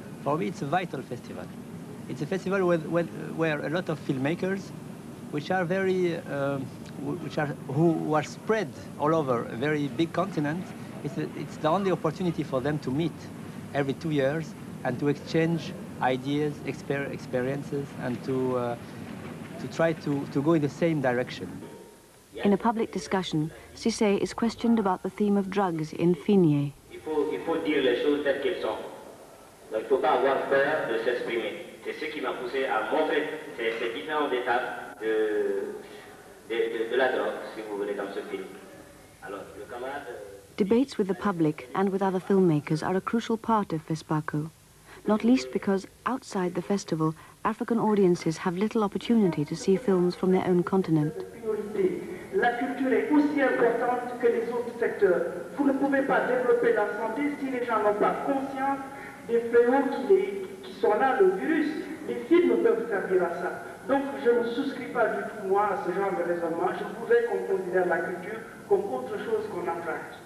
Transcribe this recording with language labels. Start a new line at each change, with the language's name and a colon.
English: For me, it's a vital festival. It's a festival where a lot of filmmakers, which are spread all over a very big continent, it's the only opportunity for them to meet every 2 years and to exchange ideas, experiences, and to try to go in the same direction. In a public discussion, Cisse is questioned about the theme of drugs in Finye.
French: Il faut dire les choses telles qu'elles sont. Il ne faut pas avoir peur de s'exprimer. C'est ce qui m'a poussé à montrer ces différentes étapes de la drogue, si vous voulez, dans ce film. Alors, le camarade...
English: Debates with the public and with other filmmakers are a crucial part of Fespaco, not least because outside the festival, African audiences have little opportunity to see films from their own continent.
French: La culture est aussi importante que les autres secteurs. Vous ne pouvez pas développer la santé si les gens n'ont pas conscience des fléaux qui sont là, le virus. Les films peuvent servir à ça. Donc je ne souscris pas du tout, moi, à ce genre de raisonnement. Je voudrais qu'on considère la culture comme autre chose qu'on apprend.